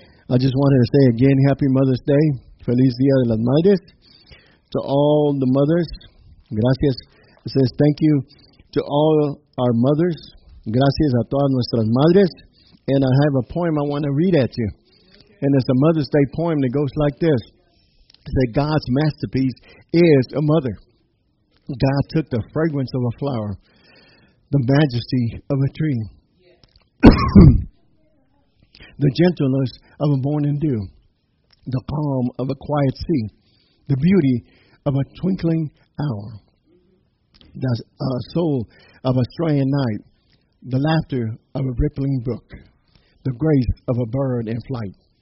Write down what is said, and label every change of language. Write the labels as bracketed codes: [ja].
[en] I just wanted to say again, happy Mother's Day. [es] Feliz Día de las Madres. [en] To all the mothers. [es] Gracias. [en] It says thank you to all our mothers. [es] Gracias a todas nuestras madres. [en] And I have a poem I want to read at you. And it's a Mother's Day poem that goes like this. It says, God's masterpiece is a mother. God took the fragrance of a flower, the majesty of a tree, the gentleness of a morning dew, the calm of a quiet sea, the beauty of a twinkling hour, the soul of a straying night, the laughter of a rippling brook, the grace of a bird in flight.